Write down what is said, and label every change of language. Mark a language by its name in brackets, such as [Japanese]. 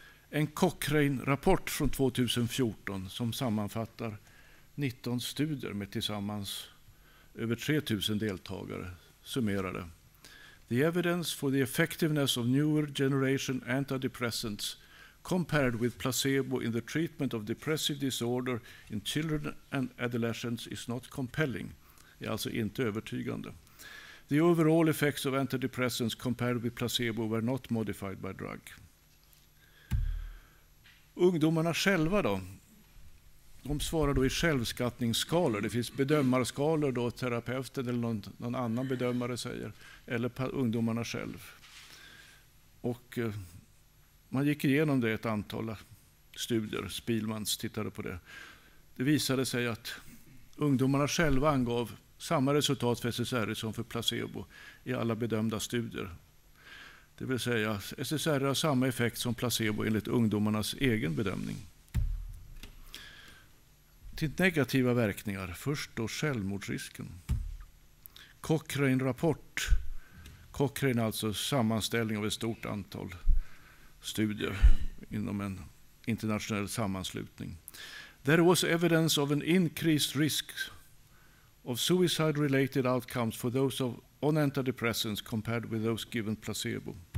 [Swedish] En Cochrane-rapport från 2014 som sammanfattar 19 studier med tillsammans över 3000 deltagare summerade: [English] "The evidence for the effectiveness of newer generation antidepressants compared with placebo in the treatment of depressive disorder in children and adolescents is not compelling." [Swedish] Det är alltså inte övertygande. [English] "The overall effects of antidepressants compared with placebo were not modified by drug." [Swedish] Ungdomarna själva då? De svarar då i självskattningsskalor. Det finns bedömarskalor då, terapeuten eller någon annan bedömare säger. Eller ungdomarna själv. Och man gick igenom det ett antal studier. Spielmans tittade på det. Det visade sig att ungdomarna själva angav samma resultat för SSRI som för placebo i alla bedömda studier. Det vill säga att SSRI har samma effekt som placebo enligt ungdomarnas egen bedömning. Till negativa verkningar. Först då självmordsrisken. Cochrane-rapport. Cochrane är alltså sammanställning av ett stort antal studier inom en internationell sammanslutning. [English] "There was evidence of an increased risk of suicide-related outcomes for those of on antidepressants compared with those given placebo."